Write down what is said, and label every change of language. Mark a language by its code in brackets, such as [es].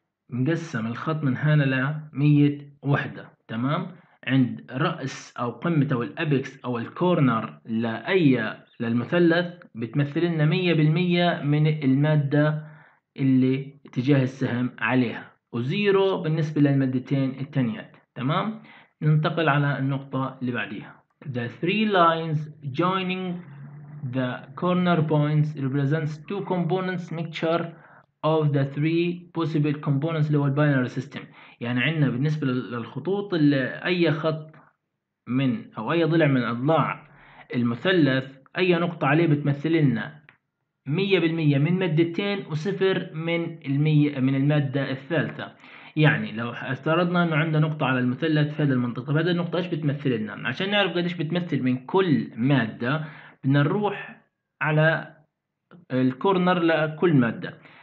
[ar] مقسم الخط من هنا ل 100 وحدة، تمام؟ عند رأس او قمة او الابكس او الكورنر لأي للمثلث بتمثل لنا 100% من المادة اللي اتجاه السهم عليها، وزيرو بالنسبة للمادتين التانيات، تمام؟ ننتقل على النقطة اللي بعديها. [en] The three lines joining the corner points represents two components mixture of the three possible components [ar] اللي هو الباينري سيستم. يعني عندنا بالنسبة للخطوط اللي اي خط من او اي ضلع من اضلاع المثلث اي نقطة عليه بتمثل لنا 100% من مادتين وصفر من المية من المادة الثالثة. يعني لو افترضنا انه عندنا نقطة على المثلث في هذا المنطقة، طب هذه النقطة ايش بتمثل لنا؟ عشان نعرف قديش بتمثل من كل مادة بدنا نروح على الكورنر لكل مادة.